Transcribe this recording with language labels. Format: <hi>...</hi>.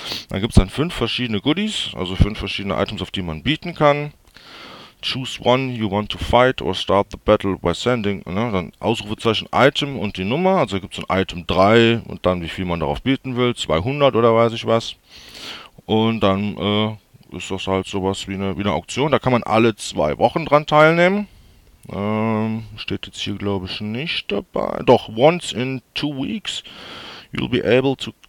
<de>Dann gibt es dann 5 verschiedene Goodies, also 5 verschiedene Items, auf die man bieten kann.</de> <en>Choose one you want to fight or start the battle by sending.</en> <de>Ne? Dann Ausrufezeichen Item und die Nummer, also gibt es ein Item 3 und dann wie viel man darauf bieten will, 200 oder weiß ich was. Und dann ist das halt sowas wie eine Auktion, da kann man alle 2 Wochen dran teilnehmen. Steht jetzt hier, glaube ich, nicht dabei. Doch,</de> <en>once in 2 weeks you'll be able to</en>